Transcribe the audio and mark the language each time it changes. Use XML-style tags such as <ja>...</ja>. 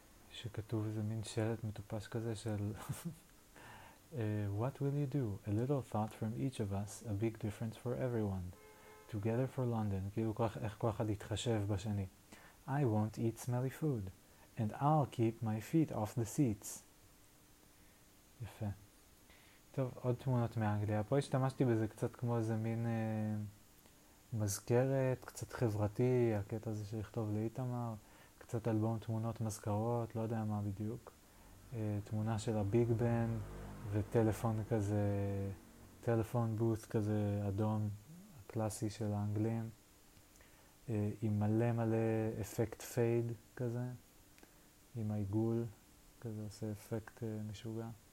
<he>שכתוב איזה מין שלט מטופש כזה של</he> <en>What will you do? A little thought from each of us, a big difference for everyone. Together for London.</en> <he>כאילו איך כל אחד יתחשב בשני.</he> <en>I won't eat smelly food. And I'll keep my feet off the seats.</en> <he>יפה. טוב, עוד תמונות מאנגליה. פה השתמשתי בזה קצת כמו איזה מין מזכרת, קצת חברתי, הקטע הזה שיכתוב לאיתמר, קצת אלבום תמונות מזכרות, לא יודע מה בדיוק. תמונה של הביג בן וטלפון כזה, טלפון בוס כזה אדום, הקלאסי של האנגלים, עם מלא מלא אפקט פייד כזה, עם העיגול כזה עושה אפקט משוגע.</he>